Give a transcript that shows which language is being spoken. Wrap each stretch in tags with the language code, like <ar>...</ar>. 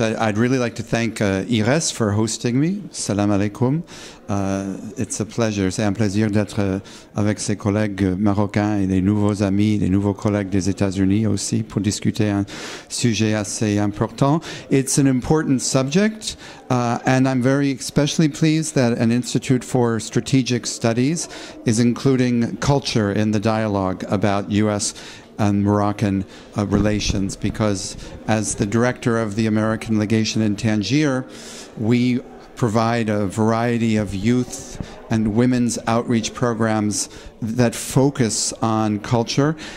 <en>I'd really like to thank IRES for hosting me.</en> <ar>Salam alaikum.</ar> <en>It's a pleasure.</en> <fr>C'est un plaisir d'être avec ses collègues marocains et les nouveaux amis, les nouveaux collègues des États-Unis aussi, pour discuter un sujet assez important.</fr> <en>It's an important subject, and I'm very especially pleased that an Institute for Strategic Studies is including culture in the dialogue about U.S. and Moroccan relations, because as the director of the American Legation in Tangier, we provide a variety of youth and women's outreach programs that focus on culture.</en>